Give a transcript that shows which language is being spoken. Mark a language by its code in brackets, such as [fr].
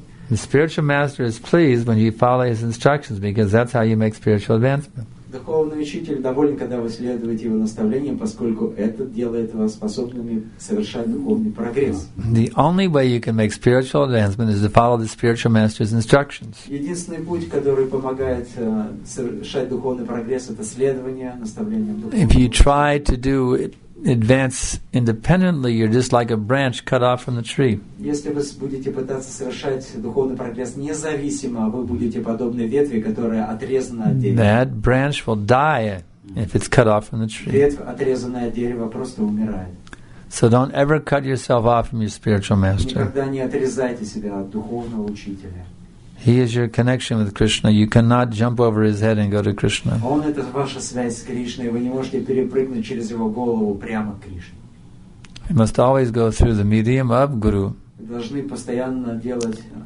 [en] The spiritual master is pleased when you follow his instructions because that's how you make spiritual advancement. [ru] Духовный учитель доволен, когда вы следуете его наставлениям, поскольку это делает вас способными совершать духовный прогресс. [en] The only way you can make spiritual advancement is to follow the spiritual master's instructions. [ru] Единственный путь, который помогает совершать духовный прогресс, это следование наставлениям духовного. [en] If you try to do it, advance independently, you're just like a branch cut off from the tree. [ru] Если вы будете пытаться совершать духовный прогресс независимо, вы будете подобной ветви, которая отрезана от дерева. [en] That branch will die if it's cut off from the tree. [ru] Ветвь, отрезанная от дерева, просто умирает. [en] So don't ever cut yourself off from your spiritual master. [ru] Никогда не отрезайте себя от духовного учителя. [en] He is your connection with Krishna. You cannot jump over his head and go to Krishna. [ru] Он это ваша связь с Кришной, вы не можете перепрыгнуть через его голову прямо к Кришне. [en] You must always go through the medium of Guru. [ru] Вы должны постоянно делать